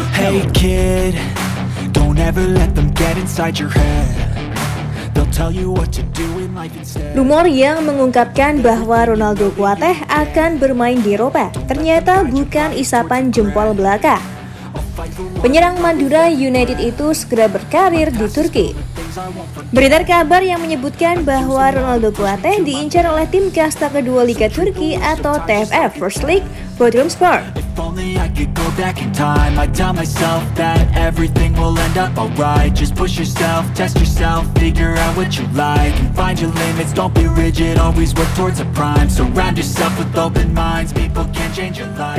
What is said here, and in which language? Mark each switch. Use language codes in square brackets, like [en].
[en] never let them get inside your head. They'll tell you what to do in life instead. [id] Rumor yang mengungkapkan bahwa Ronaldo Kuateh akan bermain di Eropa ternyata bukan isapan jempol belaka. Penyerang Madura United itu segera berkarir di Turki. Beredar kabar yang menyebutkan bahwa Ronaldo Kuateh diincar oleh tim kasta kedua Liga Turki atau TFF First League, Bodrumspor. [en] If only I could go back in time, I'd tell myself that everything will end up alright. Just push yourself, test yourself, figure out what you like and find your limits. Don't be rigid, always work towards a prime. Surround yourself with open minds, people can change your life.